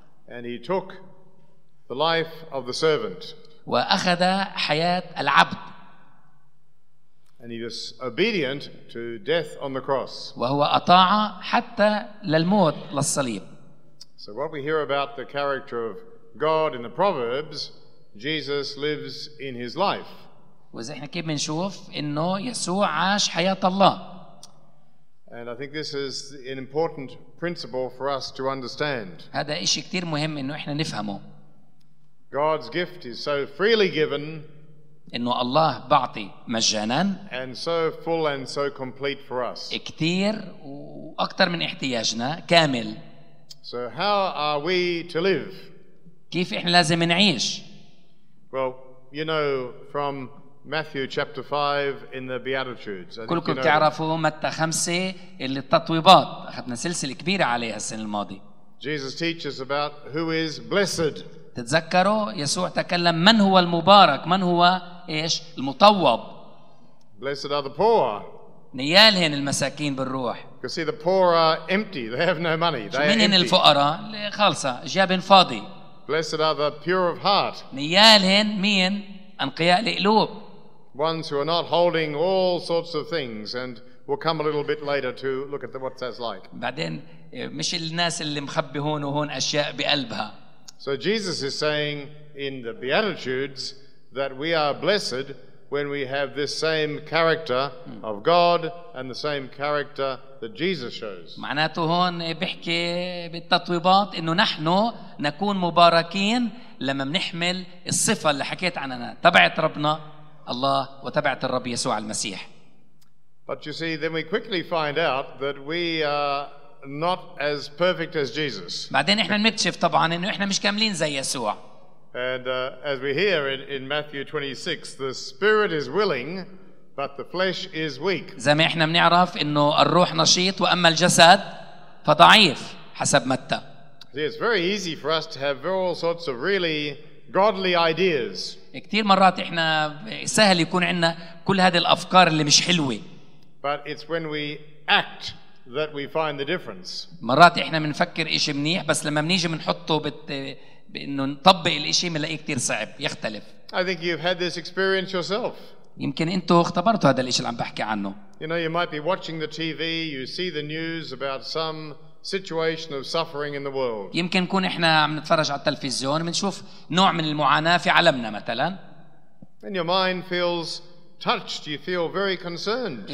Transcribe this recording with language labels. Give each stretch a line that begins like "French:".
English: And he took the life of the servant.
Arabic: وأخذ حياة العبد.
English: And he was obedient to death on the cross.
Arabic: وهو أطاع حتى للموت للصليب.
English: So what we hear about the character of God in the Proverbs, Jesus lives in his life.
Arabic: وإذا إحنا كيف بنشوف إنه يسوع عاش حياة الله.
English: And I think this is an important principle for us to understand.
Arabic: هذا إشي كتير مهم إنه إحنا نفهمه.
English: God's gift is so freely given
Arabic: إنه الله بعطي مجاناً.
English: And so full and so complete for us.
Arabic: كتير وأكثر من احتياجنا كامل.
English: So how are we to live?
Arabic: كيف إحنا لازم نعيش؟
English: Well, you know from Matthew chapter 5 in the Beatitudes.
Arabic: كلكم تعرفوا متى خمسة اللي التطويبات أخذنا سلسلة كبيرة عليها السنة الماضية.
English: Jesus teaches about who is blessed.
Arabic: تتذكروا يسوع تكلم من هو المبارك من هو إيش المطوب.
English: Blessed are the poor.
Arabic: نيالهن المساكين بالروح.
English: You see the poor are empty. They have no money. They
Arabic: منهن الفقراء خالصة جابن فاضي.
English: Blessed are the pure of heart.
Arabic: نيالهن مين أنقياء القلوب.
English: Ones who are not holding all sorts of things, and we'll come a little bit later to look at what that's like.
Arabic: بعدين مش الناس اللي مخبي هون وهون أشياء بقلبها.
English: So Jesus is saying in the Beatitudes that we are blessed when we have this same character of God and the same character that Jesus shows.
Arabic: معناته هون بيحكي بالتطويبات إنه نحن نكون مباركين لما بنحمل الصفة اللي حكيت عننا تبعت ربنا الله وتبعت الرب يسوع المسيح.
English: But you see, then we quickly find out that we are not as perfect as Jesus.
Arabic: بعدين إحنا نكتشف طبعاً إنه إحنا مش كاملين زي يسوع.
English: And as we hear in Matthew 26, the spirit is willing, but the flesh is weak.
Arabic: زي ما إحنا بنعرف إنه الروح نشيط وأما الجسد فضعيف حسب متى.
English: See, it's very easy for us to have all sorts of really godly ideas.
Arabic: كتير مرات إحنا سهل يكون عنا كل هذه الأفكار اللي مش حلوة.
English: But it's when we act that we find the difference.
Arabic: مرات إحنا منفكر إشي منيح بس لما منيجي منحطه بإنه نطبق الإشي منلاقيه كتير صعب يختلف.
English: I think you've had this experience yourself.
Arabic: يمكن أنتوا اختبرتوا هذا الإشي اللي عم بحكي عنه.
English: You know, you might be watching the TV, you see the news about some situation of suffering in the world.
Arabic: يمكن نكون إحنا عم نتفرج على التلفزيون منشوف نوع من المعاناة في عالمنا مثلاً.
English: And your mind feels touched, you feel very concerned.